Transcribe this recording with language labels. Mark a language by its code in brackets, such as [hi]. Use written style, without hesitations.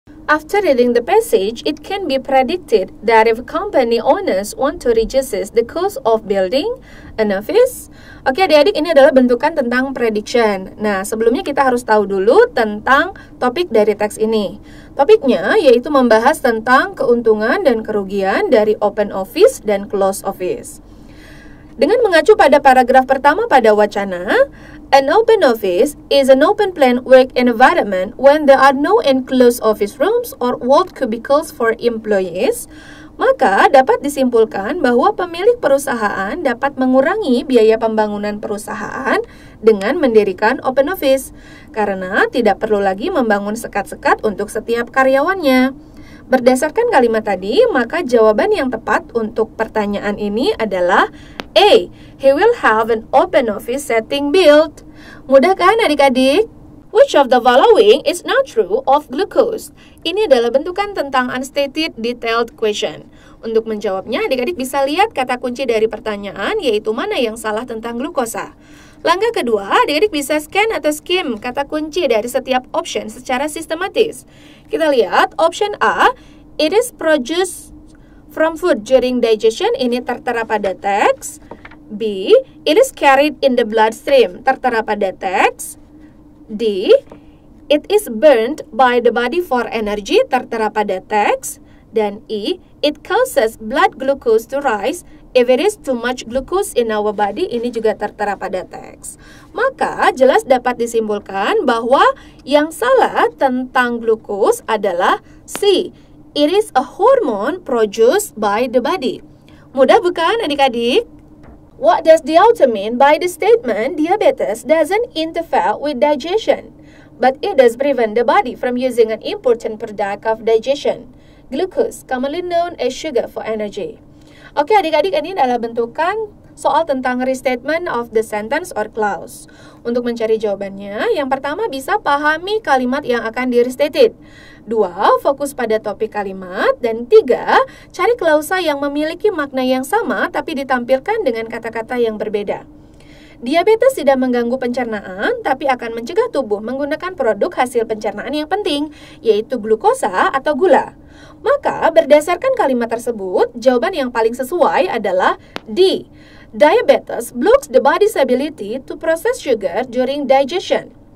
[en] After reading the passage, it can be predicted that if company owners want to reduce the cost of building an office. [id] Oke, adik-adik, ini adalah bentukan tentang prediction. Nah, sebelumnya kita harus tahu dulu tentang topik dari teks ini. Topiknya yaitu membahas tentang keuntungan dan kerugian dari open office dan close office. Dengan mengacu pada paragraf pertama pada wacana, [en] an open office is an open plan work environment when there are no enclosed office rooms or walled cubicles for employees. [id] Maka dapat disimpulkan bahwa pemilik perusahaan dapat mengurangi biaya pembangunan perusahaan dengan mendirikan open office, karena tidak perlu lagi membangun sekat-sekat untuk setiap karyawannya. Berdasarkan kalimat tadi, maka jawaban yang tepat untuk pertanyaan ini adalah A. [en] He will have an open office setting built. [id] Mudah kan adik-adik? [en] Which of the following is not true of glucose? [id] Ini adalah bentukan tentang [en] unstated detailed question. [id] Untuk menjawabnya, adik-adik bisa lihat kata kunci dari pertanyaan, yaitu mana yang salah tentang glukosa. Langkah kedua, adik-adik bisa scan atau skim kata kunci dari setiap option secara sistematis. Kita lihat, [en] option A, it is produced from food during digestion, [id] ini tertera pada teks. [en] B, it is carried in the bloodstream, [id] tertera pada teks. [en] D, it is burned by the body for energy, [id] tertera pada teks. [en] Dan E, it causes blood glucose to rise if it is too much glucose in our body, [id] ini juga tertera pada teks. Maka jelas dapat disimpulkan bahwa yang salah tentang glucose adalah C, [en] it is a hormone produced by the body. [id] Mudah bukan adik-adik? [en] What does the author mean by the statement diabetes doesn't interfere with digestion, but it does prevent the body from using an important product of digestion, glucose, commonly known as sugar for energy? [id] Oke, adik-adik, ini adalah bentukan soal tentang [en] restatement of the sentence or clause. [id] Untuk mencari jawabannya, yang pertama bisa pahami kalimat yang akan di-restated. Dua, fokus pada topik kalimat. Dan tiga, cari klausa yang memiliki makna yang sama tapi ditampilkan dengan kata-kata yang berbeda. Diabetes tidak mengganggu pencernaan, tapi akan mencegah tubuh menggunakan produk hasil pencernaan yang penting, yaitu glukosa atau gula. Maka, berdasarkan kalimat tersebut, jawaban yang paling sesuai adalah D. [en] Diabetes blocks the body's ability to process sugar during digestion.